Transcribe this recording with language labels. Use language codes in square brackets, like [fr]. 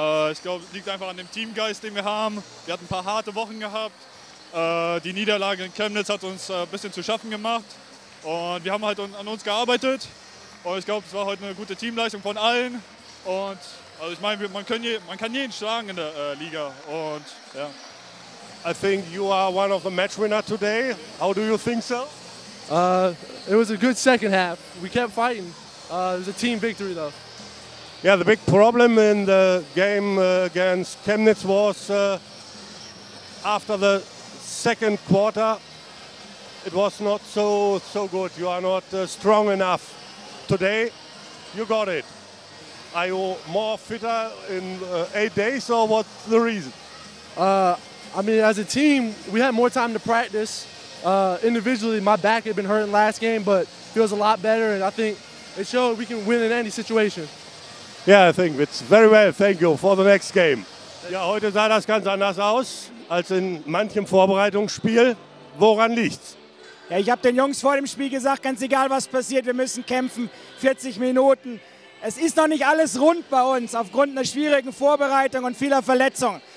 [de] Ich glaube, es liegt einfach an dem Teamgeist, den wir haben. Wir hatten ein paar harte Wochen gehabt. Die Niederlage in Chemnitz hat uns ein bisschen zu schaffen gemacht. Und wir haben halt an uns gearbeitet. Und ich glaube, es war heute eine gute Teamleistung von allen. Und also ich meine, man kann jeden schlagen in der Liga. Und ja. [en] I think you are one of the match winners today. How do you think so? It was a good second half. We kept fighting. It was a team victory though. Yeah, the big problem in the game against Chemnitz was after the second quarter, it was not so good. You are not strong enough. Today, you got it. Are you more fitter in 8 days or what's the reason? I mean, as a team, we had more time to practice. Individually, my back had been hurting last game, but feels a lot better, and I think it showed we can win in any situation. Yeah, I think it's very well. Thank you for the next game. [de] Ja, heute sah das ganz anders aus als in manchem Vorbereitungsspiel. Woran liegt's? Ja, ich habe den Jungs vor dem Spiel gesagt, ganz egal was passiert, wir müssen kämpfen. 40 Minuten. Es ist noch nicht alles rund bei uns aufgrund einer schwierigen Vorbereitung und vieler Verletzungen.